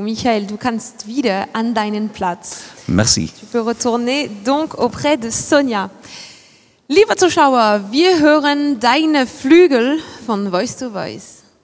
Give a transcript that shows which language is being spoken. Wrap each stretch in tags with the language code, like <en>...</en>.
<de>Michael, du kannst wieder an deinen Platz.</de> <fr>Merci. Tu peux retourner donc auprès de Sonja.</fr> <de>Lieber Zuschauer, wir hören Deine Flügel von Voice to Voice.</de>